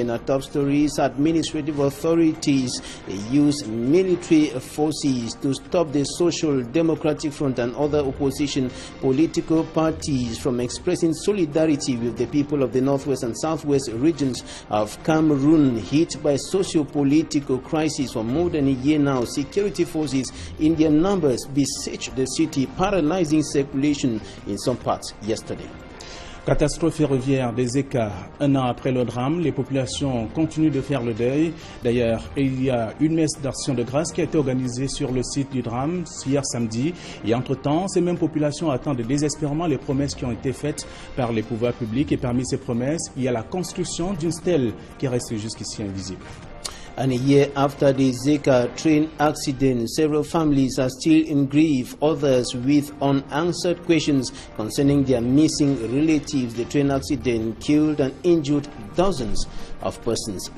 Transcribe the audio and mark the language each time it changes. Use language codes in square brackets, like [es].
[en] In our top stories, administrative authorities use military forces to stop the Social Democratic Front and other opposition political parties from expressing solidarity with the people of the Northwest and Southwest regions of Cameroon, hit by socio-political crisis for more than a year now. Security forces in their numbers besiege the city, paralyzing circulation in some parts yesterday. [fr] Catastrophe ferroviaire des ECA. Un an après le drame, les populations continuent de faire le deuil. D'ailleurs, il y a une messe d'action de grâce qui a été organisée sur le site du drame hier samedi. Et entre-temps, ces mêmes populations attendent désespérément les promesses qui ont été faites par les pouvoirs publics. Et parmi ces promesses, il y a la construction d'une stèle qui reste jusqu'ici invisible. [en] And a year after the Zika train accident, several families are still in grief, others with unanswered questions concerning their missing relatives. The train accident killed and injured dozens of persons.